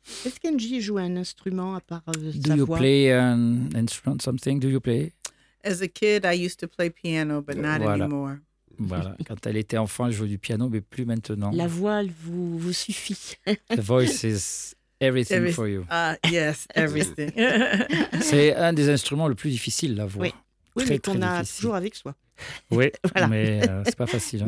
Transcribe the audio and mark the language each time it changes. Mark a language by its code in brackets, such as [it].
[fr] Est-ce qu'Angie joue un instrument à part sa voix? [en] Do you play an instrument something? Do you play? As a kid, I used to play piano, but not anymore. [fr] Voilà. Quand elle était enfant, elle jouait du piano, mais plus maintenant. La voix vous suffit. [en] The voice is everything for you. Yes, everything. [fr] C'est un des instruments le plus difficile, la voix. Oui, mais qu'on a toujours avec soi. Oui, voilà. Mais c'est pas facile. Hein.